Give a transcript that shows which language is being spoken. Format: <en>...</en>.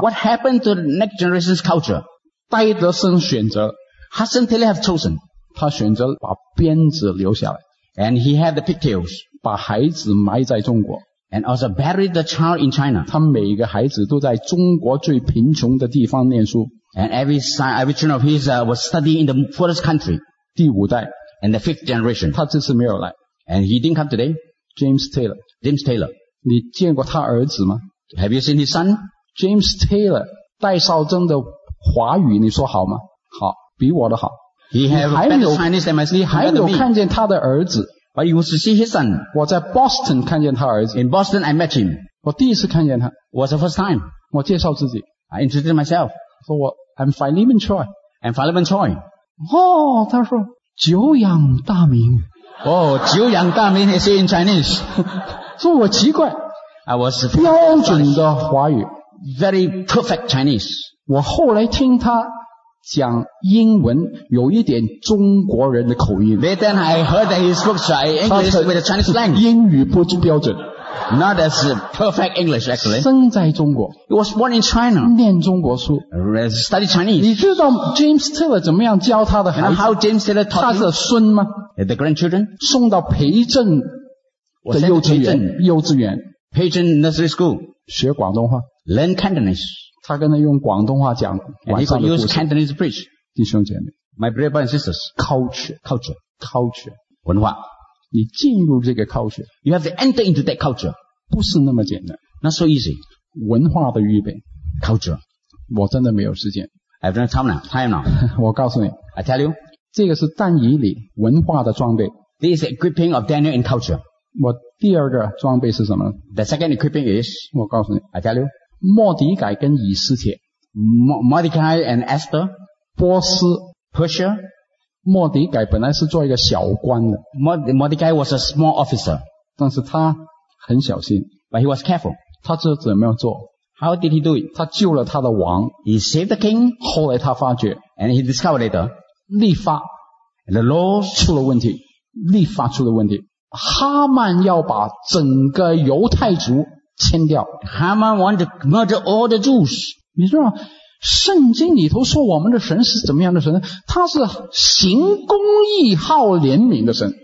<en>？What happened to the next generation's culture?</en> <zh>戴德森选择</zh> <en>，Hudson Taylor have chosen.</en> <zh>他选择把辫子留下来</zh> <en>，and he had the pigtails.</en> <zh>把孩子埋在中国</zh> <en>，and also buried the child in China.</en> <zh>他每一个孩子都在中国最贫穷的地方念书</zh> <en>，and every child of his was studying in the poorest country.</en> <zh>第五代。</zh> <en>And the fifth generation.</en> <zh>他这次没有来。</zh> <en>And he didn't come today. James Taylor. James Taylor.</en> <zh>你见过他儿子吗</zh> <en>?Have you seen his son?</en> <zh>James Taylor. 戴绍珍的华语你说好吗好。比我的好。</zh> <en>He have a better Chinese than my son.</en> <zh>你还没有看见他的儿子。</zh> <en>But you must see his son.</en> <zh>我在 Boston 看见他儿子。</zh> <en>In Boston, I met him.</en> <zh>我第一次看见他。</zh> <en>Was the first time.</en> <zh>我介绍自己。</zh> <en>I introduced myself.</en> <zh>说我</zh> <en>,I'm Philemon Choi. I'm Philemon Choi.</en> <zh>哦他说。久仰大名。</zh> <en>哦、oh,</en> <zh>久仰大名</zh> <en>is in Chinese.</en> <zh>说我奇怪。</zh> <en>I was</en> <zh>标准的华语。</zh> <en>Very perfect Chinese.</en> <zh>我后来听他讲英文有一点中国人的口音。</zh> <en>But then I heard that he spoke English with a Chinese language.</en> <zh>英语不标准。</zh> <en>Not as perfect English, actually.</en> <zh>生在中国。</zh> <en>He was born in China.</en> <zh>念中国书。</zh> <en>Study Chinese.</en> <zh>你知道 James Taylor 怎么样教他的孩子</zh> <en>you know how James Taylor taught him?</en> <zh>他的孙吗</zh> <en>The grandchildren?</en> <zh>送到培正的幼稚园。幼稚园。</zh> <en>培正 nursery school.</en> <zh>学广东话。</zh> <en>Learn Cantonese.</en> <zh>他跟他用广东话讲晚上的故事。</zh> <en>And he could use Cantonese preach.</en> <zh>弟兄姐妹。</zh> <en>My brothers and sisters, culture.</en> <zh>文化。你进入这个 culture.</zh> <en>You have to enter into that culture.</en> <zh>不是那么简单。</zh> <en>Not so easy.</en> <zh>文化的预备。</zh> <en>Culture.</en> <zh>我真的没有时间。</zh> <en>I have no time now. Time now.</en> <zh>我告诉你。</zh> <en>I tell you.</en> <zh>这个是但以理文化的装备。</zh> <en>This is the equipping of Daniel in culture.</en> <zh>我第二个装备是什么</zh> <en>?The second equipping is,</en> <zh>我告诉你。</zh> <en>I tell you.</en> <zh>莫迪改跟以斯帖。</zh> <en>Mordecai and Esther.</en> <zh>波斯。</zh> <en>Persia.</en> <zh>莫迪改本来是做一个小官的。</zh> <en>Mordecai was a small officer.</en> <zh>但是他很小心。</zh> <en>But he was careful.</en> <zh>他这怎么样做</zh> <en>?How did he do it?</en> <zh>他救了他的王。</zh> <en>He saved the king.</en> <zh>后来他发觉。</zh> <en>And he discovered later.</en> <zh>立法。</zh> <en>The laws.</en> <zh>出了问题。立法出了问题。哈曼要把整个犹太族清掉。</zh> <en>Haman wanted to murder all the Jews.</en> <zh>你知道吗？圣经里头说我们的神是怎么样的神？他是行公义、好怜悯的神。</zh>